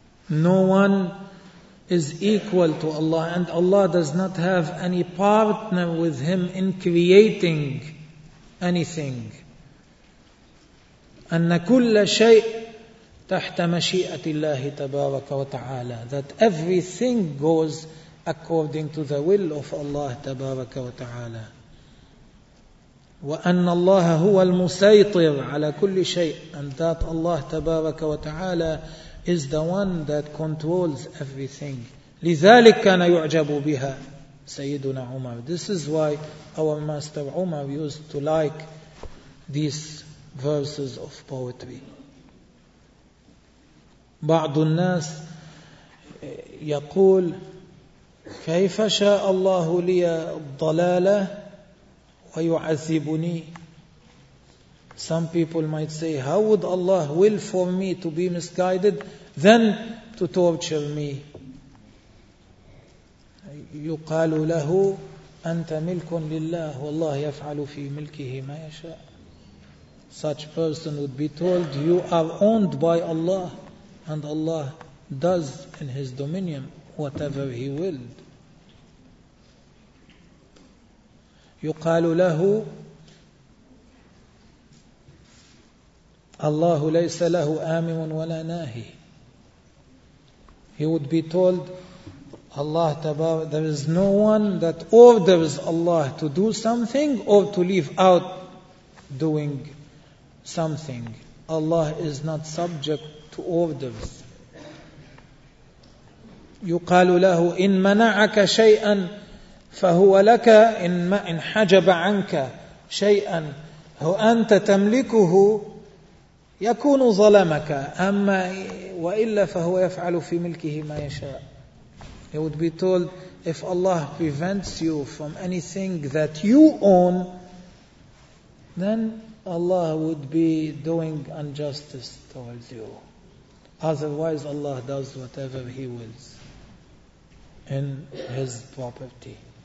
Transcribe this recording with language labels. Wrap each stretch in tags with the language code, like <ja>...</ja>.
<en>No one is equal to Allah, and Allah does not have any partner with him in creating anything.</en> <ar>أن كل شيء تحت مشيئة الله تبارك وتعالى,</ar> <en>that everything goes according to the will of Allah</en> <ar>تبارك وتعالى. وأن الله هو المسيطر على كل شيء,</ar> <en>and that Allah تبارك وتعالى is the one that controls everything.</en> <ar>لذلك كان يعجب بها سيدنا عمر.</ar> <en>This is why our master Umar used to like these verses of poetry.</en> <ar>بعض الناس يقول كيف شاء الله لي الضلالة ويعذبني.</ar> <en>Some people might say, how would Allah will for me to be misguided then to torture me.</en> <ar>يقال له أنت ملك لله والله يفعل في ملكه ما يشاء.</ar> <en>Such person would be told, you are owned by Allah and Allah does in his dominion whatever he willed.</en> <ar>يقال له الله ليس له آمن ولا ناهي.</ar> <en>He would be told, Allah تبارك, there is no one that orders Allah to do something or to leave out doing something. Allah is not subject to orders.</en> <ar>يقال له إن منعك شيئا فهو لك إن حجب عنك شيئا هو أنت تملكه يكون ظلمك أما وإلا فهو يفعل في ملكه ما يشاء.</ar> <en>He would be told, if Allah prevents you from anything that you own, then Allah would be doing injustice towards you. Otherwise, Allah does whatever He wills in His property.</en>